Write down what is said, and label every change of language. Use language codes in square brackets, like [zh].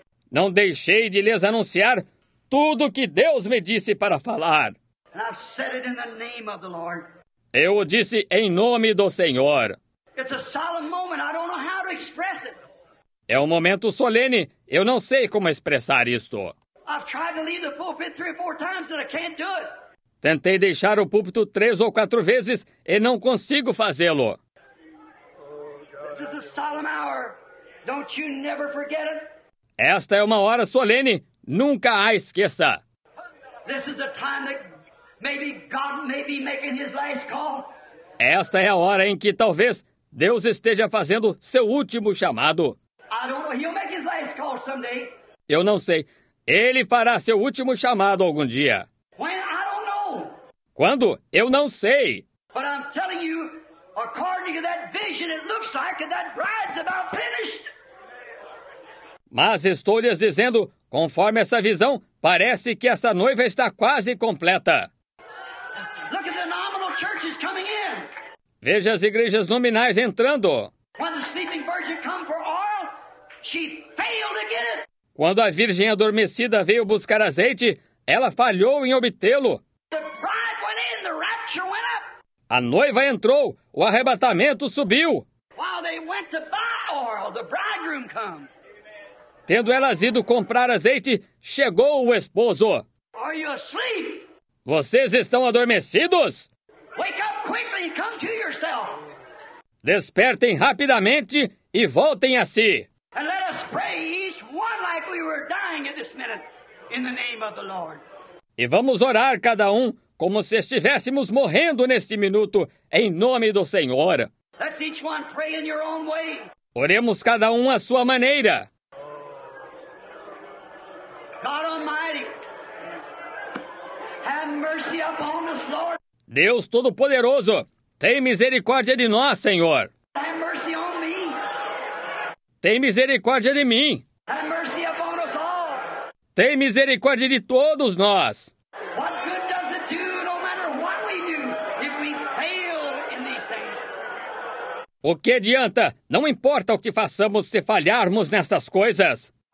[pt] Não deixei de lhes anunciar tudo o que Deus me disse para falar. [en] And I've said it in the name of the Lord. [pt] Eu o disse em nome do Senhor. [en] It's a solemn moment. I don't know how to express it. [pt] É um momento solene. Eu não sei como expressar isto. [en] I've tried to leave the pulpit 3 or 4 times and I can't do it. [pt] Tentei deixar o púlpito 3 ou 4 vezes e não consigo fazê-lo. [en] This is a solemn hour. Don't you never forget it. [pt] Esta é uma hora solene. Nunca a esqueça. [en] This is a time that maybe God may be making his last call. [pt] Esta é a hora em que talvez Deus esteja fazendo seu último chamado. [en] I don't know. He'll make his last call someday. [pt] Eu não sei. Ele fará seu último chamado algum dia. [en] When? I don't know. [pt] Quando? Eu não sei. [en] But I'm telling you, according to that vision, it looks like that bride's about finished. [pt] Mas estou lhes dizendo, conforme essa visão, parece que essa noiva está quase completa. [en] Look at the nominal churches coming in. [pt] Veja as igrejas nominais entrando. [en] When the sleeping virgin came for oil, she failed to get it. [pt] Quando a virgem adormecida veio buscar azeite, ela falhou em obtê-lo. [en] The bride went in, the rapture went up. [pt] A noiva entrou, o arrebatamento subiu. [en] While they went to buy oil, the bridegroom came. [pt] Tendo elas ido comprar azeite, chegou o esposo. [en] Are you asleep? [pt] Vocês estão adormecidos? [en] Wake up quickly and come to yourself. [pt] Despertem rapidamente e voltem a si. [en] And let us pray each one like we were dying at this minute in the name of the Lord. [pt] E vamos orar cada um como se estivéssemos morrendo neste minuto em nome do Senhor. [en] Let's each one pray in your own way. [pt] Oremos cada um à sua maneira. [en] God Almighty, have mercy upon us, Lord. [pt] Deus Todo-Poderoso, tem misericórdia de nós, Senhor. [en] Have mercy on me. [pt] Tem misericórdia de mim. [en] Have mercy upon us all. [pt] Tem misericórdia de todos nós. [en] What good does it do, no matter what we do, if we fail in these things? [pt] O que adianta? Não importa o que façamos se falharmos nessas coisas.